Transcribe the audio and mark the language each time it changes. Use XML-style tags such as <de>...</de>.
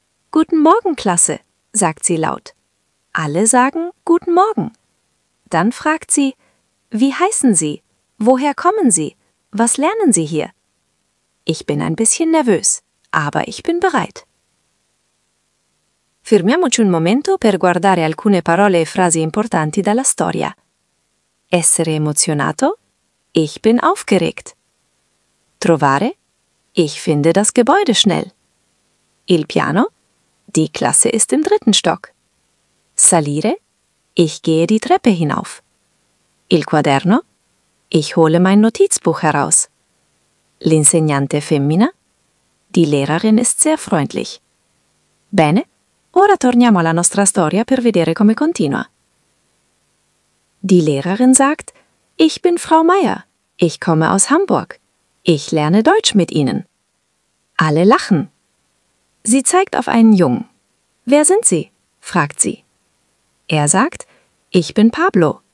<de>Guten Morgen, Klasse, sagt sie laut. Alle sagen Guten Morgen. Dann fragt sie, wie heißen Sie? Woher kommen Sie? Was lernen Sie hier? Ich bin ein bisschen nervös, aber ich bin bereit.</de> <it>Fermiamoci un momento per guardare alcune parole e frasi importanti dalla storia. Essere emozionato?</it> <de>Ich bin aufgeregt.</de> <it>Trovare?</it> <de>Ich finde das Gebäude schnell.</de> <it>Il piano?</it> <de>Die Klasse ist im dritten Stock.</de> <it>Salire?</it> <de>Ich gehe die Treppe hinauf.</de> <it>Il quaderno?</it> <de>Ich hole mein Notizbuch heraus.</de> <it>L'insegnante femmina?</it> <de>Die Lehrerin ist sehr freundlich.</de> <it>Bene, ora torniamo alla nostra storia per vedere come continua.</it> <de>Die Lehrerin sagt, ich bin Frau Meier. Ich komme aus Hamburg. Ich lerne Deutsch mit Ihnen. Alle lachen. Sie zeigt auf einen Jungen. Wer sind Sie? Fragt sie. Er sagt, ich bin Pablo.</de>